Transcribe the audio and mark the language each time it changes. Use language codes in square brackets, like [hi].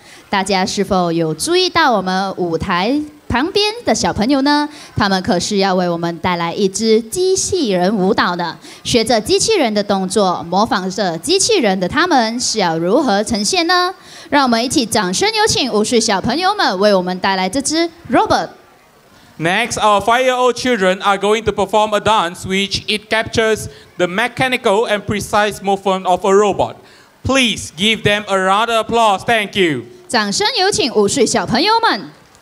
[zh] 大家是否有注意到我们舞台旁边的小朋友呢？他们可是要为我们带来一支机器人舞蹈的。学着机器人的动作，模仿着机器人的他们是要如何呈现呢？让我们一起掌声有请五岁小朋友们为我们带来这支 Robot。 [en] Next, our five-year-old children are going to perform a dance which it captures the mechanical and precise movement of a robot. Please give them a round of applause. Thank you. [zh] 掌声有请五岁小朋友们。